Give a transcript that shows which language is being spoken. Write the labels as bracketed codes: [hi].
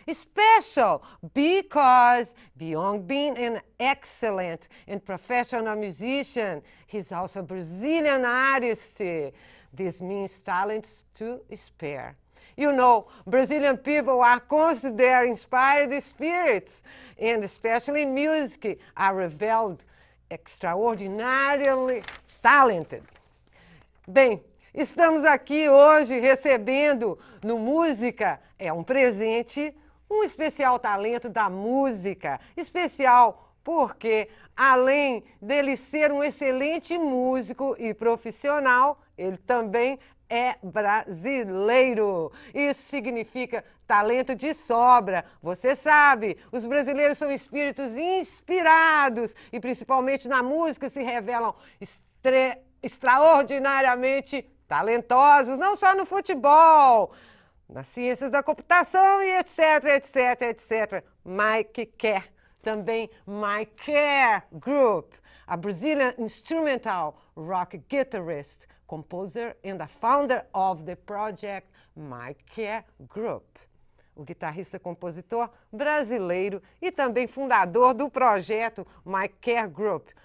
[en] Special because beyond being an excellent and professional musician, he's also a Brazilian artist. This means talents to spare. You know, Brazilian people are considered inspired spirits, and especially music, are revealed extraordinarily talented. [pt] Bem, estamos aqui hoje recebendo no Música é um Presente um especial talento da música. Especial porque, além dele ser um excelente músico e profissional, ele também é brasileiro. Isso significa talento de sobra. Você sabe, os brasileiros são espíritos inspirados e, principalmente na música, se revelam extraordinariamente talentosos, não só no futebol, nas ciências da computação e etc, etc, etc. [en] Mike Kerr, também Mike Kerr Group, a Brazilian instrumental rock guitarist, composer and the founder of the project Mike Kerr Group. [pt] O guitarrista compositor brasileiro e também fundador do projeto Mike Kerr Group.